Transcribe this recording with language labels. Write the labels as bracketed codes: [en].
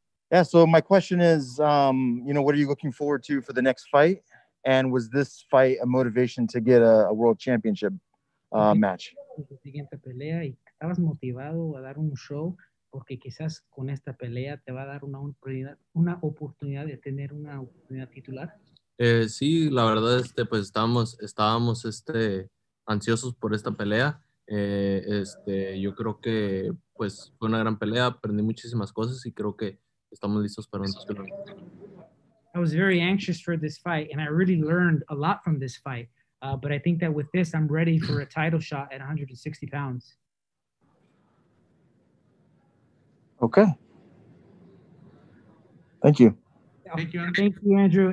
[en] Yeah, so my question is, what are you looking forward to for the next fight? And was this fight a motivation to get a world championship match? [es] La siguiente pelea y estabas motivado a dar un show porque quizás con esta pelea te va a dar una oportunidad de tener una oportunidad titular. Sí, la verdad, pues estábamos ansiosos por esta pelea. Yo creo que pues fue una gran pelea, aprendí muchísimas cosas y creo que estamos listos para un título. [en] I was very anxious for this fight and I really learned a lot from this fight, but I think that with this I'm ready for a title shot at 160 pounds. Okay. Thank you. Thank you, Andrew.